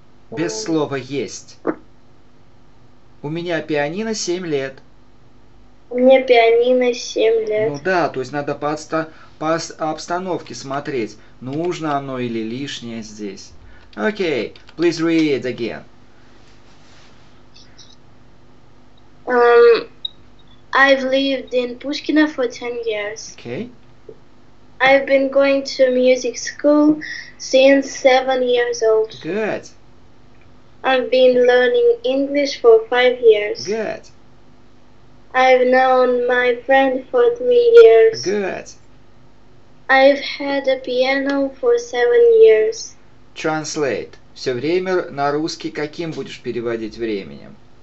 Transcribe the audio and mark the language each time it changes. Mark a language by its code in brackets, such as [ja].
[ru] Без слова есть. У меня пианино 7 лет. Мне пианино 7 лет. Ну да, то есть надо по обстановке смотреть, нужно оно или лишнее здесь. Окей, [en] please read again. I've lived in Pushkino for 10 years. [ru] Окей. [en] I've been going to music school since 7 years old. Good. I've been learning English for 5 years. Good. I've known my friend for 3 years. Good. I've had a piano for 7 years. Translate. [ru] Все время на русский каким будешь переводить временем?